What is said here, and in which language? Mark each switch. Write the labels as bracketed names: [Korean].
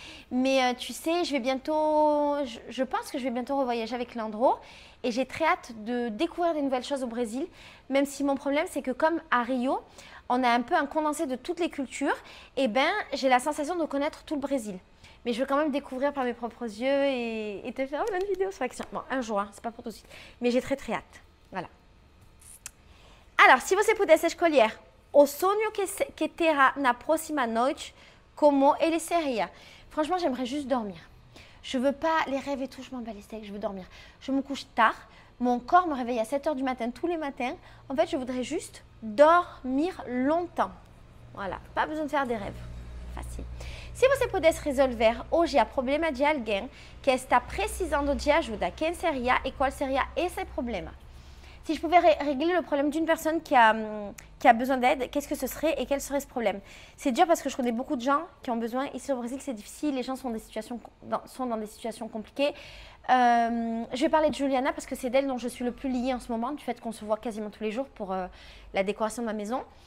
[French] Mais tu sais, je pense que je vais bientôt revoyager avec Leandro et j'ai très hâte de découvrir des nouvelles choses au Brésil, même si mon problème, c'est que comme à Rio, on a un peu un condensé de toutes les cultures, et ben j'ai la sensation de connaître tout le Brésil. Mais je veux quand même découvrir par mes propres yeux et te faire une vidéo sur l'action. Bon, un jour, hein, c'est pas pour tout de suite, mais j'ai très très hâte. Voilà. Alors, [Portuguese] si você pudesse escolher o sonho que terá na próxima noite, como ele seria? [French] Franchement, j'aimerais juste dormir. Je ne veux pas les rêves et tout, je m'en bats les steaks, je veux dormir. Je me couche tard, mon corps me réveille à 7h du matin, tous les matins. En fait, je voudrais juste dormir longtemps. Voilà, pas besoin de faire des rêves. Facile. [Portuguese] Si você pudesse resolver hoje a problema de alguém que está precisando de ajuda, quem seria e qual seria esse problema? [French] Si je pouvais régler le problème d'une personne qui a besoin d'aide, qu'est-ce que ce serait et quel serait ce problème? C'est dur parce que je connais beaucoup de gens qui ont besoin. Ici au Brésil, c'est difficile. Les gens sont dans des situations compliquées. Je vais parler de Juliana parce que c'est d'elle dont je suis le plus liée en ce moment, du fait qu'on se voit quasiment tous les jours pour la décoration de ma maison.